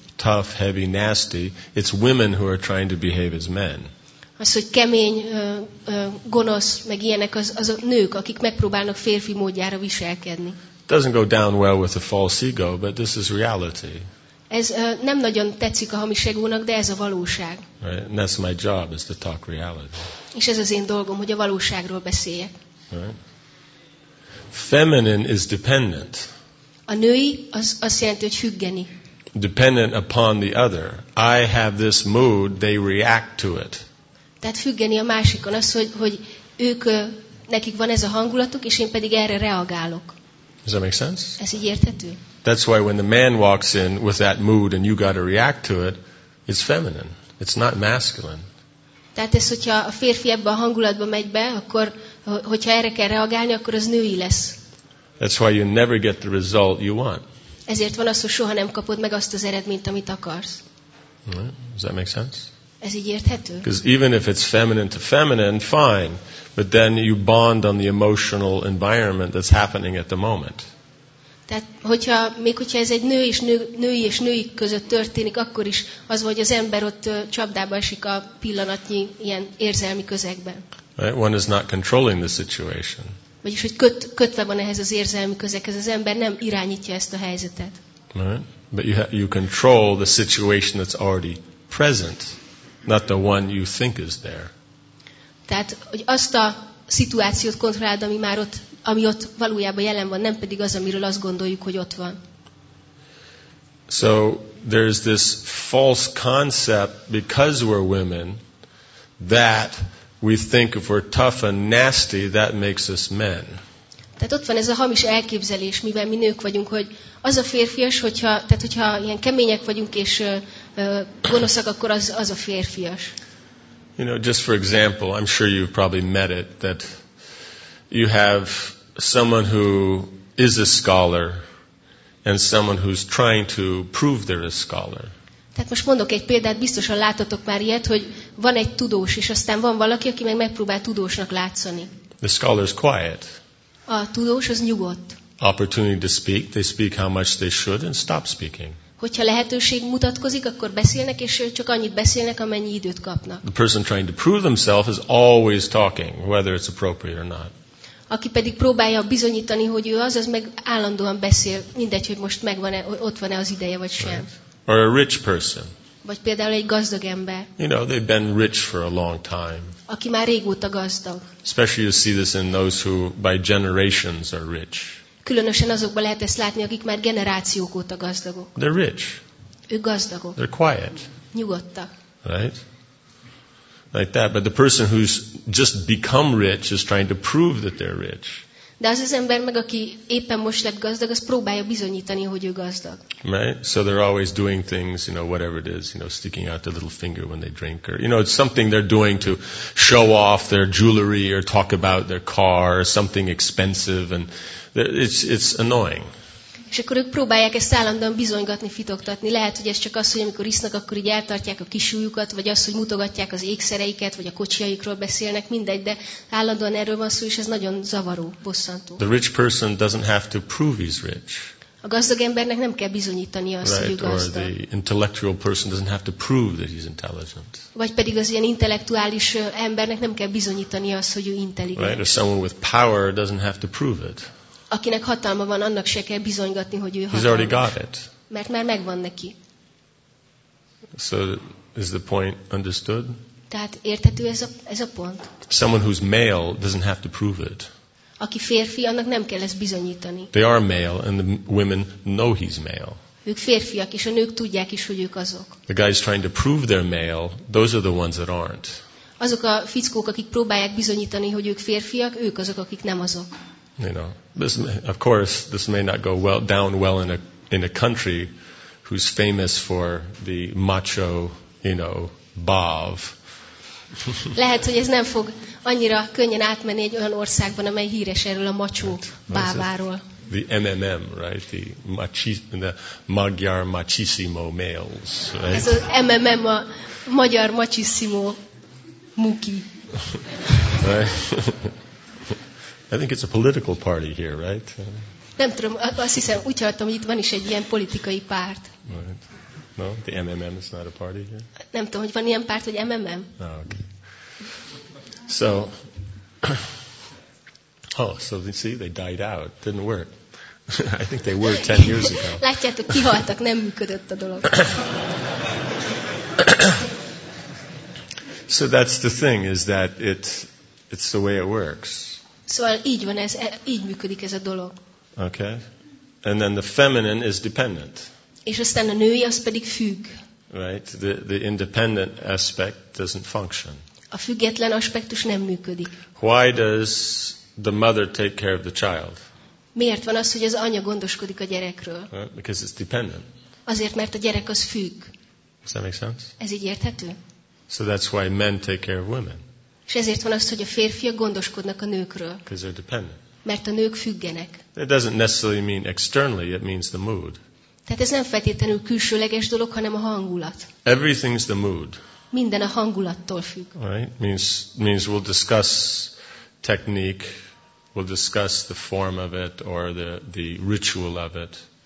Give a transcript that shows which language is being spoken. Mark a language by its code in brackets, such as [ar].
[en] Tough, heavy, nasty. It's women who are trying to behave as men. [hu] Az, hogy kemény, gonosz, meg ilyenek, az a nők, akik megpróbálnak férfi módjára viselkedni. [en] Doesn't go down well with a false ego, but this is reality. [hu] Ez nem nagyon tetszik a hamis egónak, de ez a valóság. [en] Right? And that's my job, is to talk reality. [hu] És ez az én dolgom, hogy a valóságról beszéljek. [en] Right? Feminine is dependent. [hu] A női az azt jelenti, hogy függeni. [en] Dependent upon the other. I have this mood, they react to it. [hu] Tehát függeni a másikon, az, hogy ők, nekik van ez a hangulatuk, és én pedig erre reagálok. [en] Does that make sense? [hu] Ez így érthető? [en] That's why when the man walks in with that mood and you got to react to it, it's feminine. It's not masculine. [hu] Tehát ez, hogyha a férfi ebben a hangulatban megy be, akkor, hogyha erre kell reagálni, akkor az női lesz. [en] That's why you never get the result you want. [hu] Ezért van az, hogy soha nem kapod meg azt az eredményt, amit akarsz. [en] Does that make sense? [hu] Ez így érthető? [en] Because even if it's feminine to feminine, fine. But then you bond on the emotional environment that's happening at the moment. [hu] Tehát, hogyha, még hogyha ez egy női és női között történik, akkor is az, hogy az ember ott csapdába esik a pillanatnyi ilyen érzelmi közegben. [en] Right? One is not controlling the situation. [hu] Vagyis, hogy kötve van ehhez az érzelmi közeghez. Az ember nem irányítja ezt a helyzetet. [en] Right? But you control the situation that's already present. Not the one you think is there. [hu] Tehát, hogy azt a szituációt kontrollálod, ami már ott ami ott valójában jelen van, nem pedig az, amiről azt gondoljuk, hogy ott van. [en] So there's this false concept because we're women that we think if we're tough and nasty that makes us men. [hu] Tehát ott van ez a hamis elképzelés, mivel mi nők vagyunk, hogy az a férfias, hogyha, tehát hogyha ilyen kemények vagyunk és gonoszak, akkor az a férfias. [en] You know, just for example, I'm sure you've probably met it that you have someone who is a scholar and someone who's trying to prove they're a scholar. [hu] Tehát most mondok egy példát, biztosan láttatok már ilyet, hogy van egy tudós, és aztán van valaki, aki megpróbál tudósnak látszani. [en] The scholar's quiet. [hu] A tudós az nyugodt. [en] Opportunity to speak, they speak how much they should and stop speaking. [hu] Hogyha lehetőség mutatkozik, akkor beszélnek és csak annyit beszélnek, amennyi időt kapnak. [en] The person trying to prove themselves is always talking, whether it's appropriate or not. [hu] Aki pedig próbálja bizonyítani, hogy ő az, az meg állandóan beszél, mindegy, hogy most megvan-e, ott van-e az ideje vagy sem. [en] Right. Or a rich person. [hu] Vagy például egy gazdag ember. [en] You know, they've been rich for a long time. [hu] Aki már régóta gazdag. [en] Especially you see this in those who by generations are rich. [hu] Különösen azokban lehet ezt látni, akik már generációk óta gazdagok. [en] They're rich. [hu] Ők gazdagok. [en] They're quiet. [hu] Nyugodtak. [en] Right? Like that. But the person who's just become rich is trying to prove that they're rich. [hu] De az az ember meg, aki éppen most lett gazdag, az próbálja bizonyítani, hogy ő gazdag. [en] Right? So they're always doing things, you know, whatever it is, you know, sticking out their little finger when they drink. Or, you know, it's something they're doing to show off their jewelry or talk about their car or something expensive. And it's annoying. [hu] És akkor ők próbálják ezt állandóan bizonygatni, fitoktatni. Lehet, hogy ez csak az, hogy amikor isznak, akkor így eltartják a kisújukat, vagy az, hogy mutogatják az ékszereiket, vagy a kocsiaikról beszélnek, mindegy, de állandóan erről van szó, és ez nagyon zavaró, bosszantó. [en] The rich person doesn't have to prove he's rich. [hu] A gazdag embernek nem kell bizonyítani azt, [en] right, [hu] hogy ő gazdag. [en] Or the intellectual person doesn't have to prove that he's intelligent. [hu] Vagy pedig az ilyen intellektuális embernek nem kell bizonyítani azt, hogy ő intelligens. [en] Right, or someone with power doesn't have to prove it. [hu] Akinek hatalma van, annak se kell bizonygatni, hogy ő hatalmas. [en] He's already got it. [hu] Mert már megvan neki. [en] So is the point understood? [hu] Tehát érthető ez a pont. [en] Someone who's male doesn't have to prove it. [hu] Aki férfi, annak nem kell ezt bizonyítani. [en] They are male and the women know he's male. [hu] Ők férfiak, és a nők tudják is, hogy ők azok. [en] The guys trying to prove they're male, those are the ones that aren't. [hu] Azok a fickók, akik próbálják bizonyítani, hogy ők férfiak, ők azok, akik nem azok. [en] You know, this may, of course, this may not go well down well in a country who's famous for the macho, you know, bav. [hu] Lehet, hogy ez nem fog annyira könnyen átmenni egy olyan országban, amely híres erről a macho báváról. [en] The MMM, right? The Magyar Machissimo males, right? [hu] Ez az MMM, a Magyar Machissimo Muki. [en] Right? I think it's a political party here, right? [hu] Nem tudom, azt hiszem, úgy hallottam, hogy itt van is egy ilyen politikai párt. [en] Right. No, the MMM is not a party here? [hu] Nem tudom, hogy van ilyen párt, hogy MMM. [en] Oh, okay. So, oh, so you see, they died out. Didn't work. I think they were 10 years ago. [hu] Látjátok, kihaltak, nem működött a dolog. [en] So that's the thing, is that it's the way it works. [hu] Szóval így van ez, így működik ez a dolog. [en] Okay. And then the feminine is dependent. [hu] És aztán a női az pedig függ. [en] Right. The independent aspect doesn't function. [hu] A független aspektus nem működik. [en] Why does the mother take care of the child? [hu] Miért van az, hogy az anya gondoskodik a gyerekről? [en] Because it's dependent. [hu] Azért, mert a gyerek az függ. [en] Does that make sense? [hu] Ez így érthető? [en] So that's why men take care of women. [hu] És ezért van az, hogy a férfiak gondoskodnak a nőkről. [en] Because they're dependent. [hu] Mert a nők függenek. [en] It doesn't necessarily mean externally, it means the mood. [hu] Tehát ez nem feltétlenül külsőleges dolog, hanem a hangulat. [en] Everything's the mood. [hu] Minden a hangulattól függ. [en] Right? Means we'll discuss technique, we'll discuss the form of it, or the ritual of it.